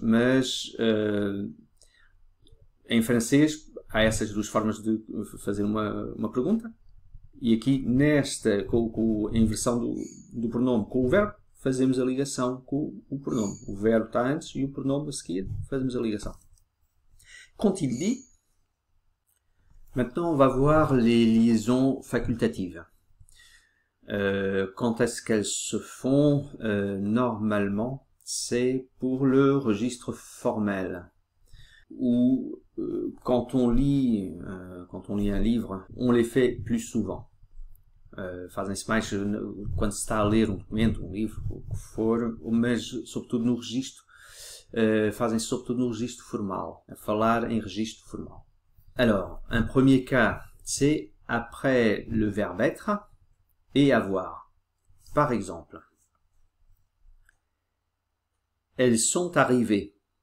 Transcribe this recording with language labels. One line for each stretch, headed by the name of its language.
Portuguese: Mas em francês há essas duas formas de fazer uma pergunta. E aqui nesta com a inversão do pronom com o verbo fazemos a ligação com o pronom. O verbo está antes e o pronom a seguir fazemos a ligação.
French: Quand il dit, maintenant on va voir les liaisons facultatives. Quand est-ce qu'elles se font? Normalement, c'est pour le registre formel. Ou quand on lit un livre, on les fait plus souvent.
Portuguese: Fazem mais quando está a ler um documento, um livro, o que for, mas sobretudo no registro. Fazem surtout no registro formal, falar em registro formal.
French: Alors, un premier cas, c'est après le verbe être et avoir. Par exemple, elles sont arrivées.